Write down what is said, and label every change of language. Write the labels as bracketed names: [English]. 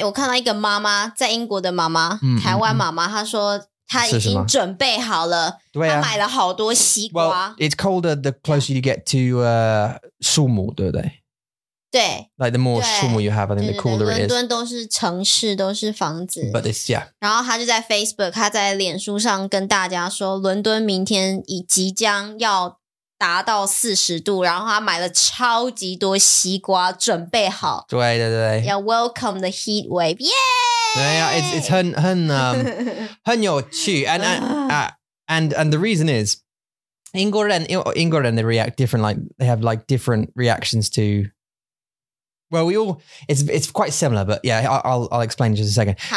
[Chinese] 我看到一个妈妈，在英国的妈妈，台湾妈妈，她说她已经准备好了，对啊、她买了好多西瓜。 [English] Well, it's colder the closer you get to 树木， [Chinese] 对不对？对 [English] ，like the more 树木 you have, I think the cooler it is. [Chinese] 伦敦都是城市，都是房子。 [English] But this, yeah. [Chinese] 然后她就在 Facebook， 她在脸书上跟大家说，伦敦明天已即将要。达到40度，然后他买了超级多西瓜，准备好。对对对， [English] 要 welcome the heat wave， 耶、yeah! ！Yeah， it's [Chinese] 很很有趣 [English] ，and the reason is 英国人 they react different， like they have like different reactions to。 Well, we all, it's quite similar, but yeah, I'll explain in just a second.